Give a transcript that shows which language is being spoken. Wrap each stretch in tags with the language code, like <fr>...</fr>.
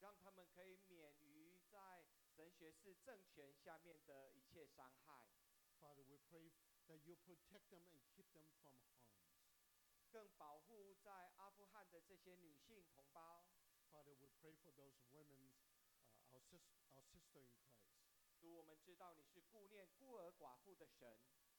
<zh>让他们可以免于在神学士政权下面的一切伤害。</zh> <en>Father, we pray that you protect them and keep them from harm.</en> <zh>更保护在阿富汗的这些女性同胞。</zh> <en>Father, we pray for those women, our sister in Christ.</en> <zh>主，我们知道你是顾念孤儿寡妇的神。</zh>